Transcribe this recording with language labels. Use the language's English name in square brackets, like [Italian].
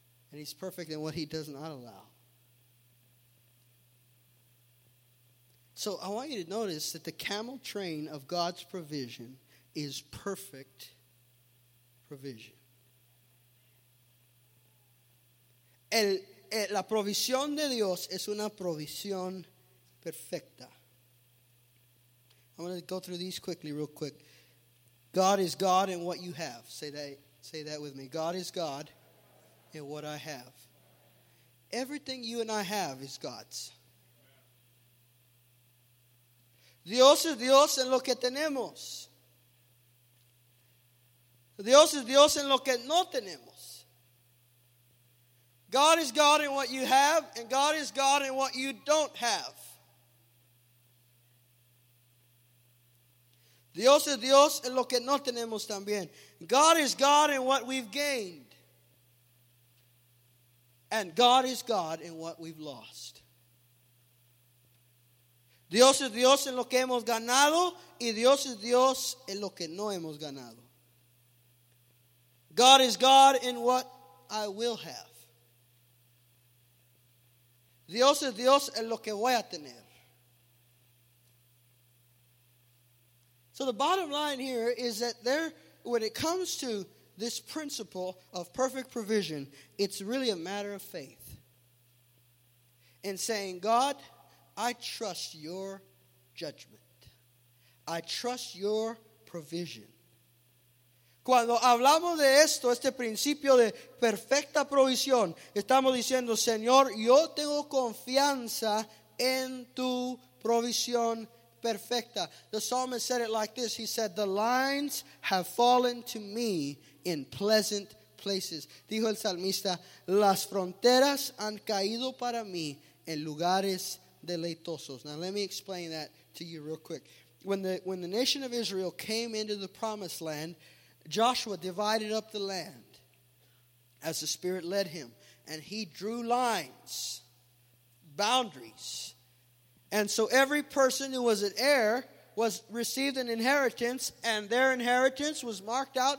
[English] And He's perfect in what He does not allow. So I want you to notice that the camel train of God's provision is perfect provision. [Spanish] La provisión de Dios es una provisión perfecta. [English] I'm going to go through these quickly, real quick. God is God in what you have. Say that with me. God is God in what I have. Everything you and I have is God's. [Spanish] Dios es Dios en lo que tenemos. Dios es Dios en lo que no tenemos. [English] God is God in what you have, and God is God in what you don't have. [Spanish] Dios es Dios en lo que no tenemos también. [English] God is God in what we've gained. And God is God in what we've lost. [Spanish] Dios es Dios en lo que hemos ganado y Dios es Dios en lo que no hemos ganado. [English] God is God in what I will have. [Spanish] Dios es Dios en lo que voy a tener. [English] So the bottom line here is that there, when it comes to this principle of perfect provision, it's really a matter of faith. And saying, God, I trust your judgment. I trust your provision. [Spanish] Cuando hablamos de esto, este principio de perfecta provisión, estamos diciendo, Señor, yo tengo confianza en tu provisión perfecta. [English] The psalmist said it like this. He said, the lines have fallen to me in pleasant places. [Spanish] Dijo el salmista, las fronteras han caído para mí en lugares deleitosos. [English] Now let me explain that to you real quick. When the nation of Israel came into the promised land, Joshua divided up the land as the Spirit led him. And he drew lines, boundaries. And so every person who was an heir was received an inheritance, and their inheritance was marked out.